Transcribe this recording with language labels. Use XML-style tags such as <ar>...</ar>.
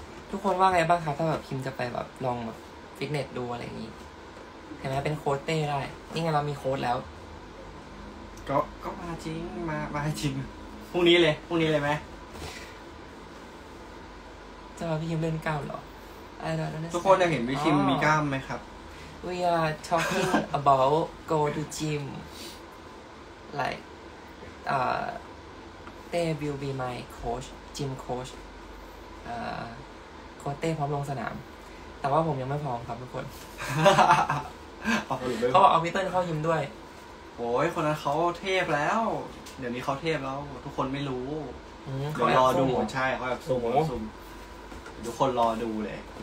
<th>ทุกคนว่าไงบ้างคะถ้าแบบคิมจะไปแบบลองแบบฟิตเนสดูอะไรอย่างนี้เห็นไหมเป็นโค้ชเต้ได้นี่ไงเรามีโค้ชแล้ว ก็มาจริงมาจริงพรุ่งนี้เลยไหม จะมาพี่คิมเล่นกล้ามเหรอไอ้เ นี่ยทุกคนอยากเห็นพี่คิมมีกล้ามไหมครับ</th> <en>We are talking about go to gym. Like, they will be my coach, gym coach.</en> <th>Coach Tae พร้อมลงสนามแต่ว่าผมยังไม่พร้อมครับทุกคนเขาบอกเอาพี่เต้ยเข้ายิมด้วย โอ้ยคนนั้นเขาเทพแล้วเดี๋ยวนี้เขาเทพแล้วทุกคนไม่รู้ เดี๋ยวรอดูใช่เขาแบบซุ่มทุกคนรอดูเลย</th>